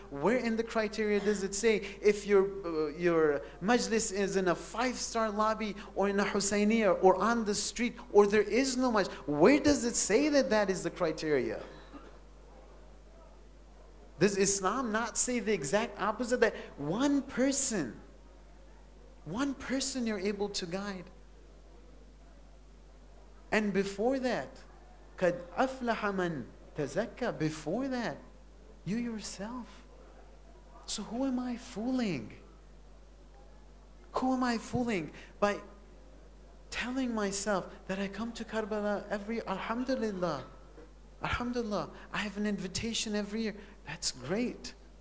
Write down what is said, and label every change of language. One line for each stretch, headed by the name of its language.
English: Where in the criteria does it say if your majlis is in a five-star lobby or in a Husayniya or on the street or there is no majlis? Where does it say that that is the criteria? Does Islam not say the exact opposite? That one person you're able to guide. And before that,
Arabic: قَدْ أَفْلَحَ مَنْ تَزَكَّى.
English: Before that, you yourself. So who am I fooling? Who am I fooling by telling myself that I come to Karbala every, Alhamdulillah, I have an invitation every year. That's great.